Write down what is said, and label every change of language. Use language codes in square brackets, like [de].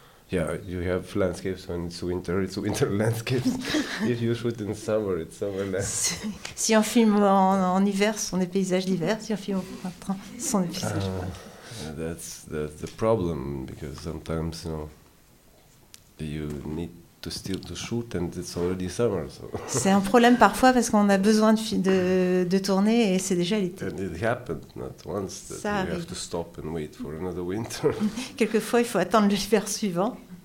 [en] You have landscapes when it's winter landscapes. If you shoot in summer, it's summer landscapes. [fr] Si on filme en hiver, ce sont des paysages d'hiver. Si on filme en train, ce sont des paysages. [en] That's the problem because sometimes you know you need. To still to shoot and it's already summer, so. [fr] C'est un problème parfois parce qu'on a besoin de tourner et c'est déjà l'été. [en] And it happened not once that ça we arrive. Have to stop and wait for another winter. [fr] Quelquefois, il faut attendre l'hiver suivant.